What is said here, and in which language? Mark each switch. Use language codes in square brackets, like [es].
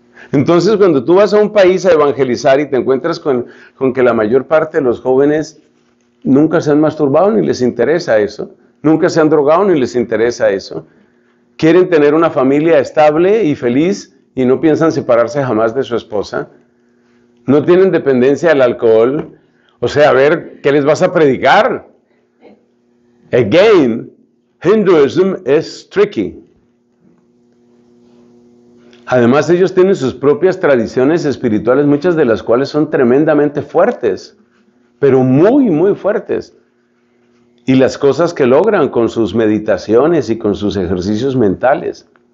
[es] Entonces, cuando tú vas a un país a evangelizar y te encuentras con que la mayor parte de los jóvenes nunca se han masturbado ni les interesa eso, nunca se han drogado ni les interesa eso, quieren tener una familia estable y feliz y no piensan separarse jamás de su esposa. No tienen dependencia al alcohol. O sea, a ver, ¿qué les vas a predicar? [en] Again, Hinduism is tricky. [es] Además, ellos tienen sus propias tradiciones espirituales, muchas de las cuales son tremendamente fuertes, pero muy, muy fuertes. Y las cosas que logran con sus meditaciones y con sus ejercicios mentales.